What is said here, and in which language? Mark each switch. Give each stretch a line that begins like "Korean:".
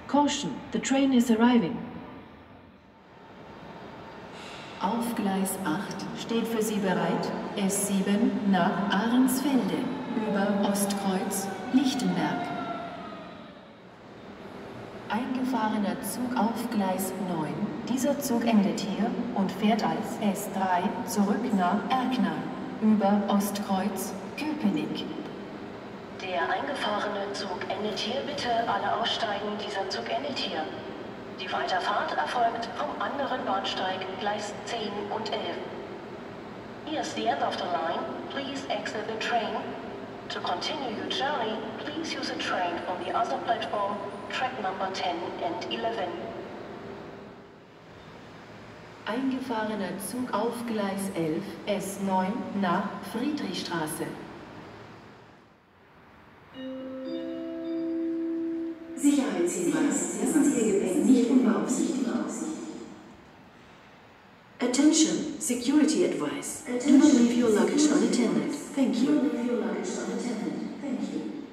English: Caution, the train is arriving.
German: Auf Gleis 8 steht für Sie bereit S7 nach Ahrensfelde über Ostkreuz Lichtenberg. Eingefahrener Zug auf Gleis 9. Dieser Zug endet hier und fährt als S3 zurück nach Erkner über Ostkreuz Köpenick. Der eingefahrene Zug endet hier. Bitte alle aussteigen. Dieser Zug endet hier. Die Weiterfahrt erfolgt vom anderen Bahnsteig Gleis 10 und 11.
English: Here's the end of the line. Please exit. train. To continue your journey, please use a train on the other platform, track number 10 and 11.
German: Eingefahrener Zug auf Gleis 11, S9 nach Friedrichstraße. Sicherheitshinweis, lassen Sie Ihr Gepäck nicht unbeaufsichtigt.
English: Attention, security advice. Attention. Do not leave your luggage unattended. Thank you. Do not leave your luggage unattended. Thank you.